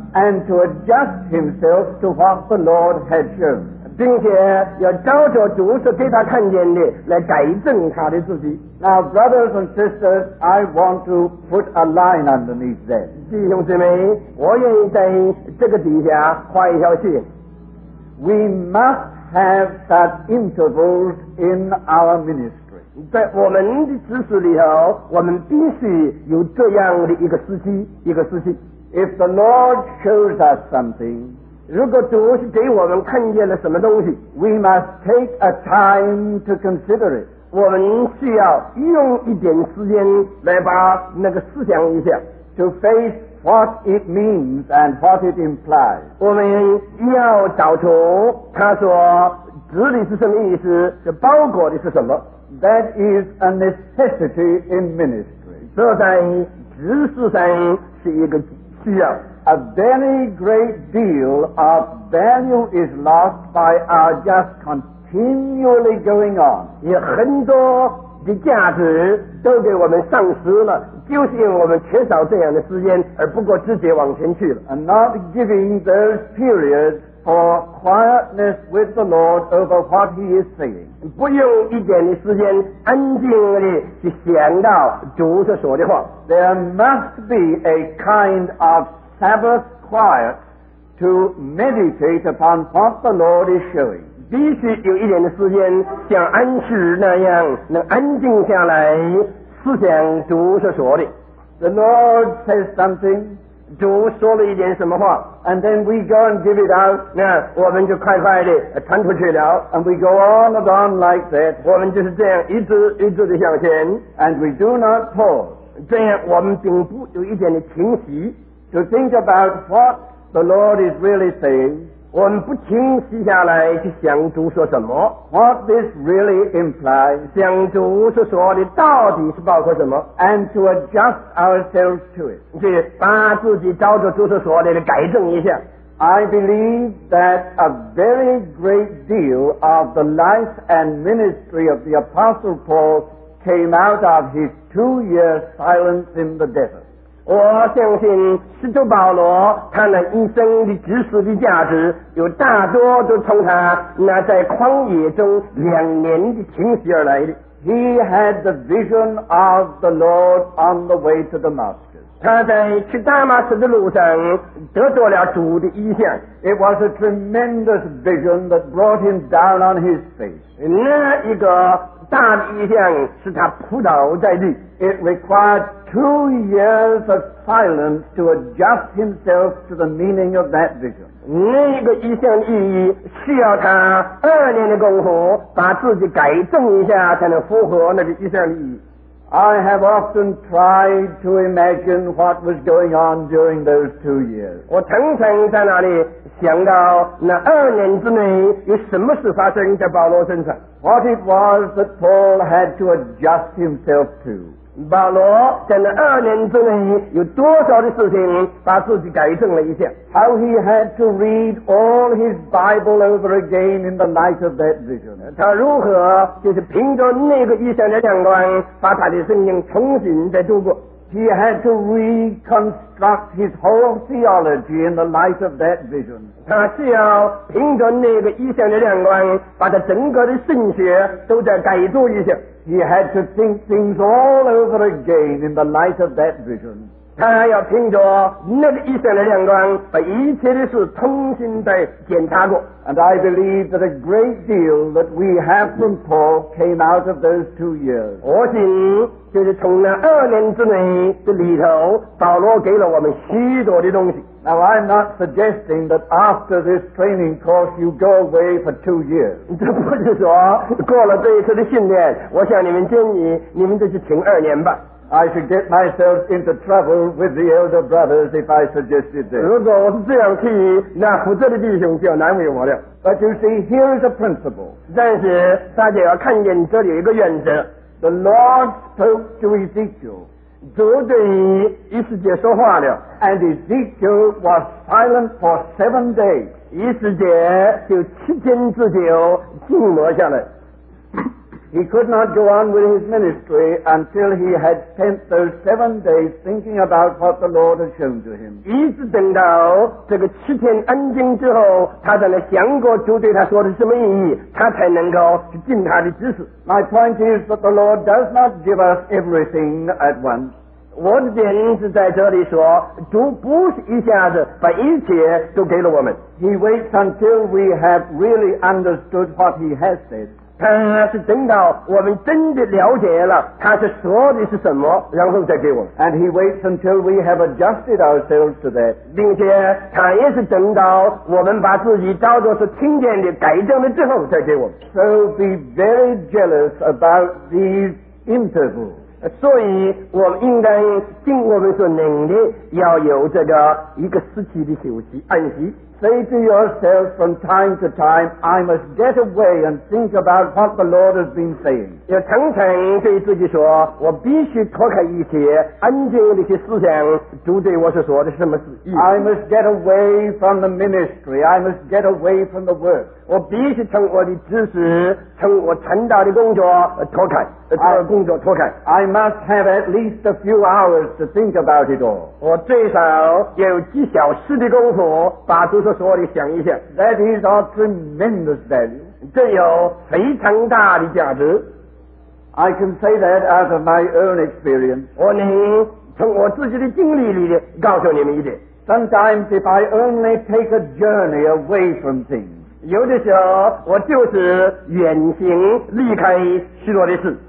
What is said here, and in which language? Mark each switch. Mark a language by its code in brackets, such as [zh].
[en] and to adjust himself to what the Lord had shown， [zh] 并且要照着主所给他看见的来改正他的自己。 [en] Now brothers and sisters, I want to put a line underneath that. [zh] 弟兄姊妹，我愿意在这个底下画一条线。 [en] We must have such intervals in our ministry. [zh] 在我们的职事里头，我们必须有这样的一个时期，一个时期。 [en] If the Lord shows us something, [zh] 如果主是给我们看见了什么东西， [en] we must take a time to consider it. [zh] 我们需要用一点时间来把那个思想一下， [en] to face what it means and what it implies. [zh] 我们要找出他说指的是什么意思，是包裹的是什么。 [en] That is a necessity in ministry. [zh] 这在职事上是一个需要。 [en] A very great deal of value is lost by our just continually going on. [zh] 有很多的价值都给我们丧失了，就是因为我们缺少这样的时间，而不过直接往前去了。 [en] And not giving those periods for quietness with the Lord over what He is saying， [zh] 不用一点的时间安静地去想到主所说的话。 [en] There must be a kind of Sabbath quiet to meditate upon what the Lord is showing。 [zh] 必须有一点的时间，像安息日那样，能安静下来思想主所说的。 [en] The Lord says something， [zh] 主说了一点什么话 [en] ，and then we go and give it out， [zh] 那我们就快快的传出去了 [en] ，and we go on and on like that， [zh] 我们就是这样一直一直的向前 [en] ，and we do not pause， [zh] 这样我们并不有一点的停息 [en] ，to think about what the Lord is really saying。 [zh] 我们不停息下来去想主说什么 [en] ，What this really implies， [zh] 想主所说的到底是包括什么 [en] ，And to adjust ourselves to it， [zh] 去把自己照着主所说的改正一下。 [en] I believe that a very great deal of the life and ministry of the Apostle Paul came out of his 2 year silence in the desert。 [zh] 我相信使徒保罗他那一生的知识的价值有大多都从他那在旷野中2年的停息而来的。 [en] He had the vision of the Lord on the way to Damascus. [zh] 他在去大马士的路上得到了主的意象。 [en] It was a tremendous vision that brought him down on his face. [zh] 那一个大的意象使他扑倒在地。 [en] It required 2 years of silence to adjust himself to the meaning of that vision. [zh] 那个意象的意义需要他2年的功夫把自己改正一下才能符合那个意象的意义。 [en] I have often tried to imagine what was going on during those 2 years. [zh] 我常常在那里想到那2年之内有什么事发生在保罗身上。 [en] What it was that Paul had to adjust himself to. [zh] 保罗在那2年之内有多少的事情把自己改正了一下。 [en] How he had to read all his Bible over again in the light of that vision. [zh] 他如何就是凭着那个意象的亮光把他的圣经重新再读过。 [en] He had to reconstruct his whole theology in the light of that vision. [zh] 他需要凭着那个意象的亮光把他整个的圣学都再改读一下。 [en] He had to think things all over again in the light of that vision. [zh] 他要凭着那个意象的亮光把一切的事重新再检查过。 [en] And I believe that a great deal that we have from Paul came out of those 2 years. [zh] 我信就是从那2年之内的里头保罗给了我们许多的东西。 [en] Now I'm not suggesting that after this training course you go away for 2 years. [zh] 这不是说过了这一次的训练我向你们建议你们就去停2年吧。 [en] I should get myself into trouble with the elder brothers if I suggested this. [zh] 如果我是这样提议，那负责的弟兄就要难为我了。 [en] But you see, here's a principle. [zh] 但是大家要看见这里有一个原则。 [en] The Lord spoke to Ezekiel. [zh] 主对以斯帖说话了。 [en] And Ezekiel was silent for 7 days. [zh] 以斯帖就7天之久静默下来。 [en] He could not go on with his ministry until he had spent those 7 days thinking about what the Lord had shown to him. [zh] 一直等到这个7天安静之后，他才能想过主对他说的什么意义，他才能够去尽他的职事。 [en] My point is that the Lord does not give us everything at once. [zh] 我的点是在这里说，主不是一下子把一切都给了我们。 [en] He waits until we have really understood what he has said. [zh] 他是等到我们真的了解了他是说的是什么然后再给我们 [en] and he waits until we have adjusted ourselves to that [zh] 并且他也是等到我们把自己照着是听见的改正了之后再给我们 [en] so be very jealous about these intervals [zh] 所以我们应该尽我们所能的要有这个一个时期的休息安息。 [en] Say to yourself from time to time, I must get away and think about what the Lord has been saying. [zh] 要常常对自己说，我必须脱开一些安静的一些思想，主对我所说的是什么意思。 [en] I must get away from the ministry. I must get away from the work. [zh] 我必须从我的知识，从我传道的工作脱开，工作脱开。 [en] I must have at least a few hours to think about it all. [zh] 我最少有几小时的功夫把就是说的想一想 [en] That is a tremendous value [zh] 这有非常大的价值 [en] I can say that out of my own experience [zh] 我能从我自己的经历里告诉你们一点 [en] Sometimes if I only take a journey away from things [zh] 有的时候我就是远行离开许多的事